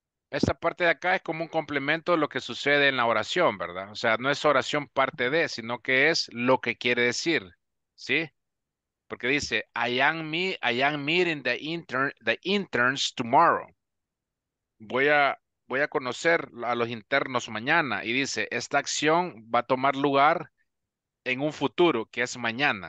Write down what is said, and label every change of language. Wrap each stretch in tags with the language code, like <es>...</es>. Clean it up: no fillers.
<es>Esta parte de acá es como un complemento de lo que sucede en la oración, ¿verdad? O sea, no es oración parte de, sino que es lo que quiere decir, ¿sí? Porque dice,</es> <en>I am meeting the interns tomorrow.</en> <es>Voy a conocer a los internos mañana. Y dice, esta acción va a tomar lugar en un futuro, que es mañana.</es>